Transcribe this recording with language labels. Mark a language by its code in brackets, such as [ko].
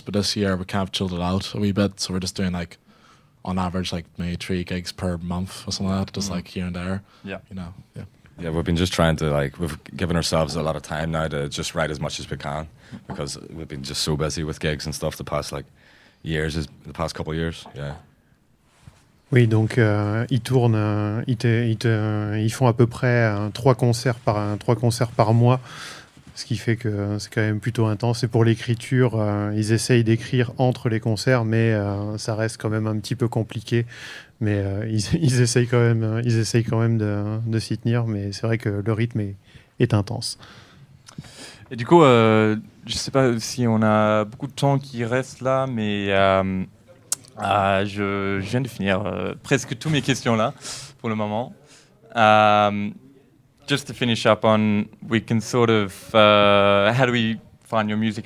[en] But this year, we kind of chilled it out a wee bit. So we're just doing, like, on average, like, maybe 3 gigs per month or something like that, just, like, here and there. Yeah. You know, yeah. Yeah, we've been just trying to, like, we've given ourselves a lot of time now to just write as much as we can because we've been just so busy with gigs and stuff the past couple of years. Yeah. [fr] Oui, donc ils font à peu près trois concerts par mois, ce qui fait que c'est quand même plutôt intense. Et pour l'écriture, ils essayent d'écrire entre les concerts, mais ça reste quand même un petit peu compliqué. Mais ils essayent quand même de s'y tenir, mais c'est vrai que le rythme est intense. Et du coup, je ne sais pas si on a beaucoup de temps qui reste là, mais... Je viens de finir presque toutes mes questions là pour le moment. [en] Just to finish up on, we can sort of, how do we find your music?